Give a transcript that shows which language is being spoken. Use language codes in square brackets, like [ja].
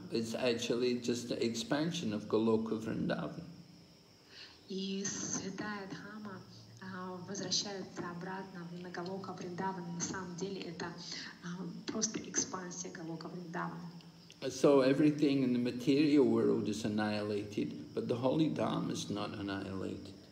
[en] It's actually just an expansion of Goloka Vrindavan. [ru] И святая дхама возвращается обратно на Голока Вриндаван. На самом деле это просто экспансия Голока Вриндавана. [en] So everything in the material world is annihilated, but the holy dham is not annihilated.